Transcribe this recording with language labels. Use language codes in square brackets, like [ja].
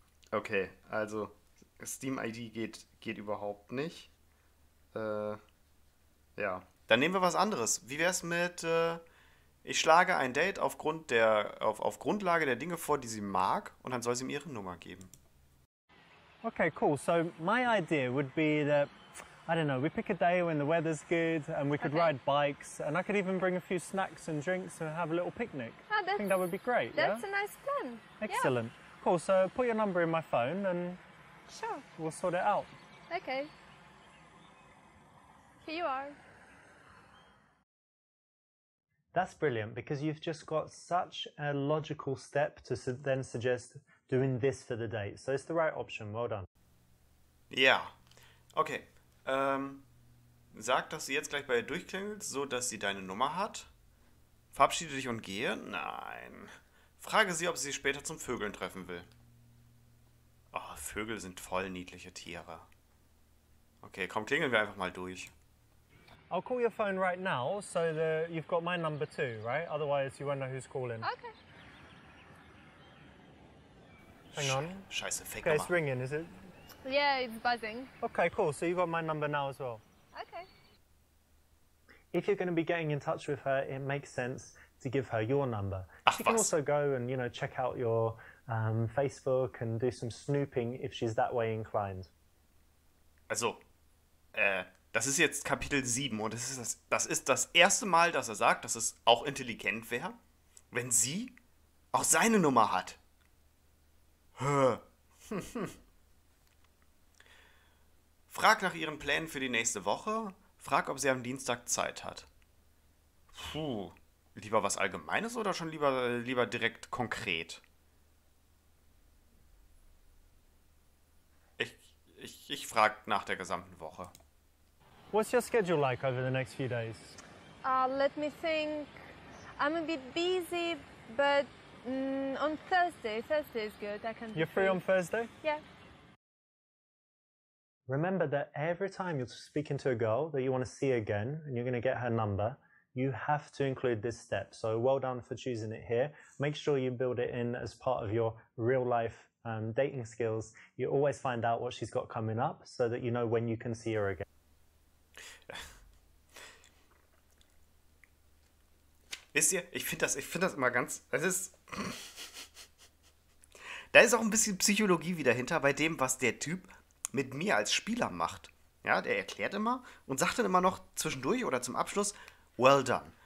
[de] Okay, also Steam-ID geht überhaupt nicht. Ja, dann nehmen wir was anderes. Wie wäre es mit, ich schlage ein Date auf Grundlage der Dinge vor, die sie mag, und dann soll sie mir ihre Nummer geben. Okay, cool. [en] So my idea would be that, I don't know, we pick a day when the weather's good and we could ride bikes and I could even bring a few snacks and drinks and have a little picnic. Oh, I think that would be great. That's yeah? a nice plan. Excellent. Yeah. Cool, so put your number in my phone and sure. We'll sort it out. Okay. Here you are. That's brilliant because you've just got such a logical step to then suggest doing this for the date. So it's the right option. Well done. Yeah. Okay. [de] Sag, dass sie jetzt gleich bei ihr durchklingelt, so dass sie deine Nummer hat. Verabschiede dich und gehe? Nein. Frage sie, ob sie später zum Vögeln treffen will. Oh, Vögel sind voll niedliche Tiere. Okay, komm, klingeln wir einfach mal durch. [en] I'll call your phone right now, so that you've got my number too, right? Otherwise you won't know who's calling. Okay. Hang on. [de] Scheiße, fake [en] Okay, it's ringing, is it? Yeah, it's buzzing. Okay, cool. So you've got my number now as well. Okay. If you're going to be getting in touch with her, it makes sense to give her your number. [de] Ach, [en] she was. Can also go and, you know, check out your Facebook and do some snooping if she's that way inclined. [de] Also, das ist jetzt Kapitel 7 und das ist das erste Mal, dass er sagt, dass es auch intelligent wäre, wenn sie auch seine Nummer hat. Frag nach ihren Plänen für die nächste Woche. Frag, ob sie am Dienstag Zeit hat. Puh, lieber was Allgemeines oder schon lieber direkt konkret? Ich frag nach der gesamten Woche. [en] What's your schedule like over the next few days? Let me think. I'm a bit busy, but on Thursday. Thursday is good. I can. You're free on Thursday? Yeah. Remember that every time you're speaking to a girl that you want to see again and you're going to get her number, you have to include this step. So well done for choosing it here. Make sure you build it in as part of your real life dating skills. You always find out what she's got coming up so that you know when you can see her again. [de] Wisst ihr, ich finde das immer ganz, es ist, da ist auch ein bisschen Psychologie wieder hinter bei dem, was der Typ mit mir als Spieler macht. Ja, der erklärt immer und sagt dann immer noch zwischendurch oder zum Abschluss, [en] well done.